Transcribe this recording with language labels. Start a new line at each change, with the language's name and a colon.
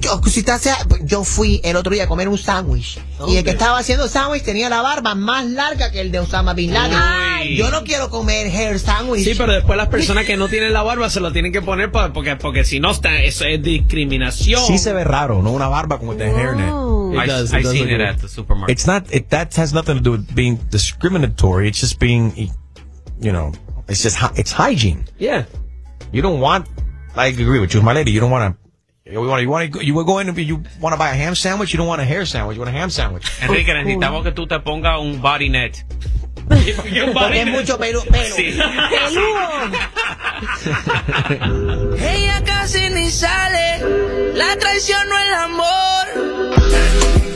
Spanish: Yo fui el otro día a comer un sándwich. Okay. Y el que estaba haciendo sándwich tenía la barba más larga que el de Osama Bin Laden. Ay. Yo no quiero comer
English: hair sandwich.
Spanish: Sí, pero después las personas que no tienen la barba se lo tienen que poner porque si no, está, eso es discriminación. Sí se ve raro, ¿no? Una barba como de hairnet.
English: I've seen it at the supermarket. That has nothing to do with being discriminatory. It's just being, you know, it's hygiene. Yeah. You don't want, I agree with you, my lady, you don't want to... You want to buy a ham sandwich? You don't want a hair sandwich. You want a ham sandwich.
Spanish: Enrique, necesitamos que tú te pongas un body net. Porque es mucho pelo. Sí. ¡Pelú! Ella casi ni sale. La traición no es el amor.